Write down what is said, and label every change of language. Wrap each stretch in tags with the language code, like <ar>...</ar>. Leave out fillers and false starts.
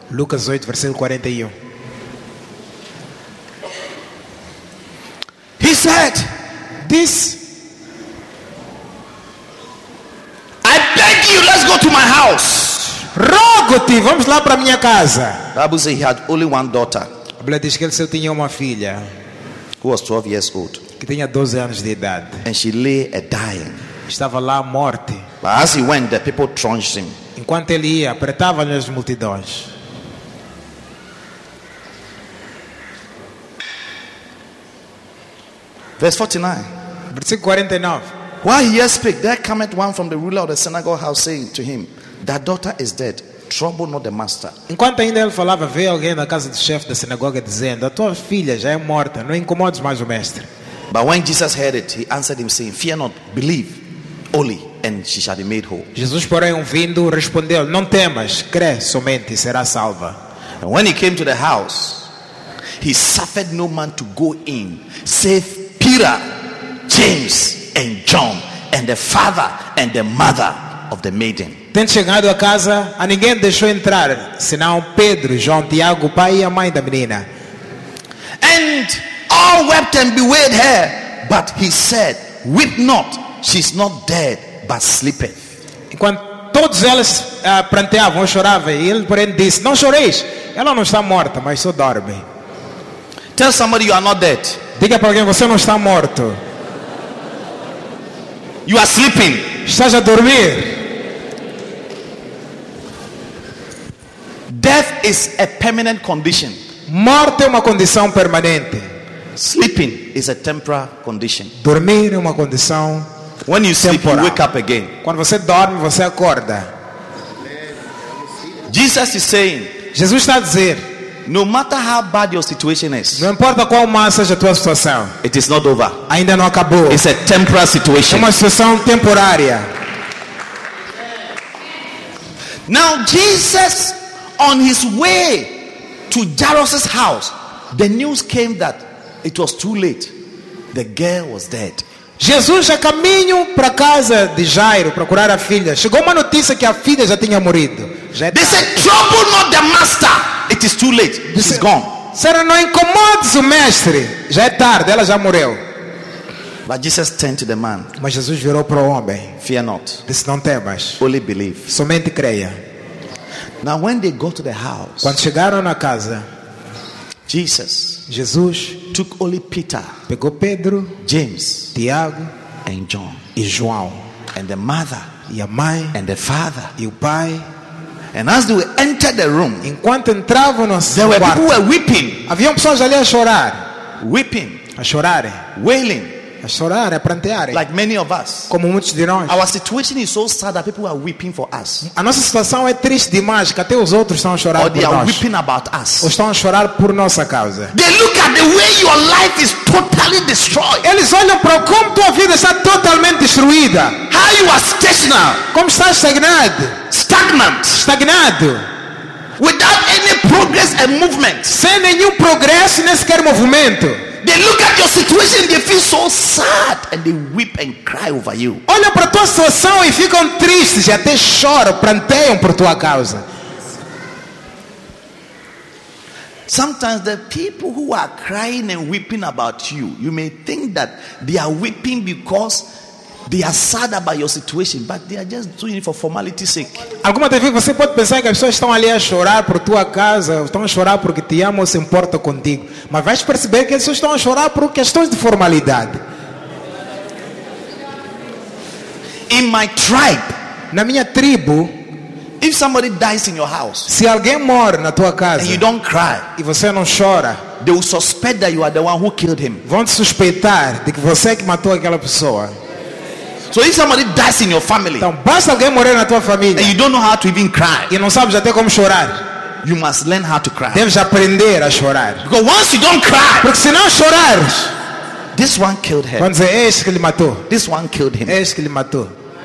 <pt>Lucas 8, versículo 41.</pt> <en>He said, "This, I beg you, let's go to my house."</en> <pt>Rogo-te, vamos lá para minha casa.</pt> <en>Bible says he had only one daughter.</en> <pt>A Bíblia diz que ele só tinha uma filha.</pt> <en>Who was 12 years old.</en> <pt>Que tinha 12 anos de idade.</pt> <en>And she lay a dying.</en> <pt>Estava lá morte.</pt> <en>But as he went, the people thronged him.</en> <pt>Enquanto ele ia, apertavam-lhe as multidões.</pt> <en>Verse 49.</en> <pt>Versículo 49.</pt> <en>While he yet spake, there cometh one from the ruler of the synagogue house, saying to him, "Thy daughter is dead. Trouble not the master."</en> <pt>Enquanto ainda ele falava, veio alguém na casa do chefe da sinagoga dizendo, "A tua filha já é morta. Não incomodes mais o mestre."</pt> <en>But when Jesus heard it, he answered him, saying, "Fear not. Believe only, and she shall be made whole."</en> <pt>Jesus, porém, ouvindo, respondeu, "Não temas. Crê somente e será salva."</pt> <en>And when he came to the house, he suffered no man to go in, save Peter, James, and John, and the father and the mother of the maiden.</en> <pt>Tendo chegado à casa, a ninguém deixou entrar, senão Pedro, João, Tiago, o pai e a mãe da menina.</pt> <en>And all wept and bewailed her, but he said, "Weep not, she's not dead, but sleeping."</en> <pt>Enquanto todos eles pranteavam, choravam, e ele porém disse, "Não choreis, ela não está morta, mas só dorme."</pt> <en>Tell somebody you are not dead.</en> <pt>Diga para alguém, você não está morto.</pt> <en>You are sleeping.</en> <pt>Estás a dormir.</pt> <en>Death is a permanent condition.</en> <pt>Morte é uma condição permanente.</pt> <en>Sleeping is a temporary condition.</en> <pt>Dormir é uma condição.</pt> <en>When you sleep,</en> <pt>temporal.</pt> <en>You wake up again.</en> <pt>Quando você dorme, você acorda.</pt> <en>Jesus is saying.</en> <pt>Jesus está a dizer.</pt> <en>No matter how bad your situation is.</en> <pt>Não importa qual má seja a tua situação.</pt> <en>It is not over.</en> <pt>Ainda não acabou.</pt> <en>It's a temporary situation.</en> <pt>É uma situação temporária.</pt> <en>Now Jesus, on his way to Jairus' house, the news came that it was too late. The girl was dead.</en> <pt>Jesus, a caminho para casa de Jairo para curar a filha, chegou uma notícia que a filha já tinha morrido.</pt> <en>They said, trouble not the master. It is too late. She's gone.</en> <pt>Senhor, não incomodes o mestre. Já é tarde, ela já morreu.</pt> <en>But Jesus turned to the man.</en> <pt>Mas Jesus virou para o homem.</pt> <en>Fear not.</en> <pt>Disse, não temas.</pt> <en>Only believe.</en> <pt>Somente creia.</pt> <en>Now when they got to the house.</en> <pt>Quando chegaram na casa.</pt> <en>Jesus took only Peter.</en> <pt>Pegou Pedro,</pt> <en>James,</en> <pt>Tiago</pt> <en>and John.</en> <pt>E João.</pt> <en>And the mother.</en> <pt>E a mãe.</pt> <en>And the father.</en> <pt>E o pai.</pt> <en>And as they entered the room,</en> <pt>enquanto entravam no quarto,</pt> <en>there were people who were weeping.</en> <pt>Havia pessoas ali a chorar.</pt> <en>Weeping,</en> <pt>a chorar.</pt> <en>Wailing,</en> <pt>a chorar, a prantear.</pt> <en>Like many of us,</en> <pt>como muitos de nós.</pt> <en>Our situation is so sad that people are weeping for us.</en> <pt>A nossa situação é triste demais que até os outros estão a chorar por nós.</pt> <en>Or they are weeping about us.</en> <pt>Ou estão a chorar por nossa causa.</pt> <en>They look at the way your life is totally destroyed.</en> <pt>Eles olham para como tua vida está totalmente destruída.</pt> <en>How you are stationed?</en> <pt>Como estás estagnado?</pt> <en>Stagnant.</en> <pt>Estagnado.</pt> <en>Without any progress and movement.</en> <pt>Sem nenhum progresso nem sequer movimento.</pt> <en>They look at your situation, they feel so sad and they weep and cry over you.</en> <pt>Olha para tua situação e ficam tristes e até choram, pranteiam por tua causa.</pt> <en>Sometimes the people who are crying and weeping about you, you may think that they are weeping because they are sad about your situation, but they are just doing it for formality's sake.</en> <pt>Alguma vez você pode pensar que as pessoas estão ali a chorar por tua casa, estão a chorar porque te amam ou se importam contigo. Mas vais perceber que as pessoas estão a chorar por questões de formalidade.</pt> <en>In my tribe,</en> <pt>na minha tribo,</pt> <en>if somebody dies in your house,</en> <pt>se alguém morre na tua casa,</pt> <en>and you don't cry,</en> <pt>e você não chora,</pt> <en>they will suspect that you are the one who killed him.</en> <pt>Vão suspeitar de que você é que matou aquela pessoa.</pt> <en>So if somebody dies in your family,</en> <pt>então, basta alguém morrer na tua família,</pt> <en>and you don't know how to even cry,</en> <pt>e não sabes até como chorar,</pt> <en>you must learn how to cry.</en> <pt>Deves aprender a chorar.</pt> <en>Because once you don't cry,</en> <pt>porque se não chorar,</pt> <en>this one killed her.</en> <pt>Vamos dizer, este que lhe matou.</pt> <en>This one killed him.</en> <pt>Este que lhe matou.</pt>